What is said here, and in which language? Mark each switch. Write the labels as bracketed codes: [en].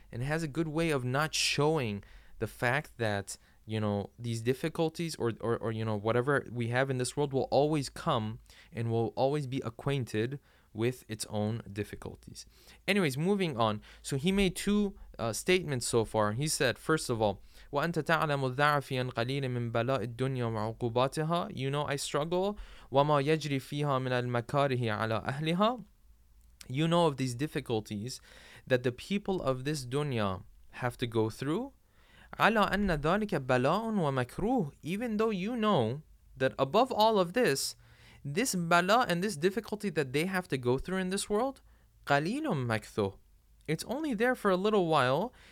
[en] And it has a good way of not showing the fact that, you know, these difficulties or you know, whatever we have in this world will always come and will always be acquainted with its own difficulties. Anyways, moving on. So he made two statements so far. He said, first of all, [ar] وَأَنْتَ تَعْلَمُ ذَعْفِيًا قَلِيلًا مِنْ بَلَاءِ الدُّنْيَا وَعُقُوبَاتِهَا. [en] You know I struggle. [ar] وَمَا يَجْرِي فِيهَا مِنَ الْمَكَارِهِ عَلَىٰ أَهْلِهَا. [en] You know of these difficulties that the people of this dunya have to go through. [ar] عَلَىٰ أَنَّ ذَلِكَ بَلَاءٌ وَمَكْرُوهٌ. [en] Even though you know that above all of this, this bala and this difficulty that they have to go through in this world, [ar] قَلِيلٌ مَكْثُهُ, [en] it's only there for a little while.